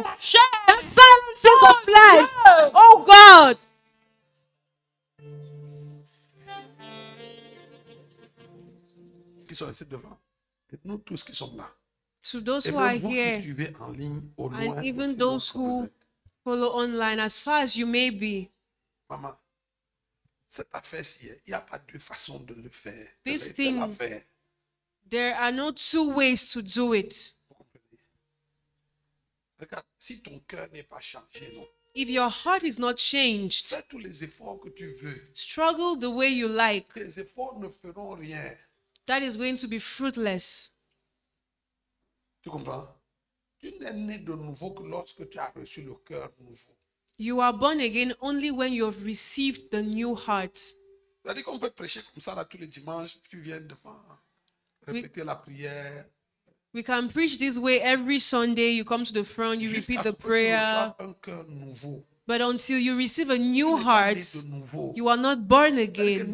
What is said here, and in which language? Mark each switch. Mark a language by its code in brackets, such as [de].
[en] That silence is the flesh. Oh God. [fr] Qui sont ici devant? Et nous tous qui sommes là. [en] To those who are here. [fr] Qui suivez en ligne au loin. [en] And even those who follow online as far as you may be. [fr] Maman, cette affaire-ci, il n'y a pas deux façons de le faire. [en] This thing, there are no two ways to do it. [fr] Regarde, si ton cœur n'est pas changé, non. [en] If your heart is not changed, [fr] fais tous les efforts que tu veux. [en] Struggle the way you like. [fr] Tes efforts ne feront rien. [en] That is going to be fruitless. [fr] Tu comprends? Tu n'es né de nouveau que lorsque tu as reçu le cœur nouveau. [en] You are born again only when you have received the new heart. [fr] C'est-à-dire qu'on peut prêcher comme ça là tous les dimanches, tu viens devant, répéter la prière. [en] We can preach this way every Sunday. You come to the front, you repeat the prayer. But until you receive a new heart, you are not born again.